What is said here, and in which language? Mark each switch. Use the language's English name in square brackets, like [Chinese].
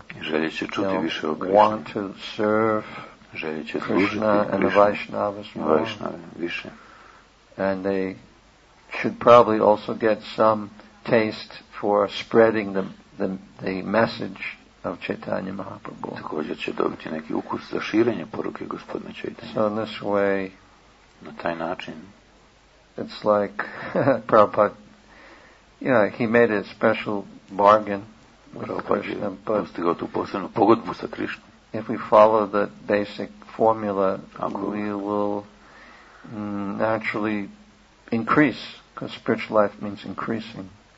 [English] They'll want to serve Krishna and the Vaishnavas more. And they should probably also get some taste for spreading the message of Chaitanya Mahaprabhu. [Croatian] Također će dobiti neki ukus za širenje poruke gospodina Chaitanya. [English] So in this way, [Croatian] na taj način, [English] it's like Prabhupada, you know, he made a special bargain with Krishna, but [Croatian] postigao tu posebnu pogodbu sa Krishnom. [English] If we follow the basic formula, we will naturally increase, because spiritual life means increasing.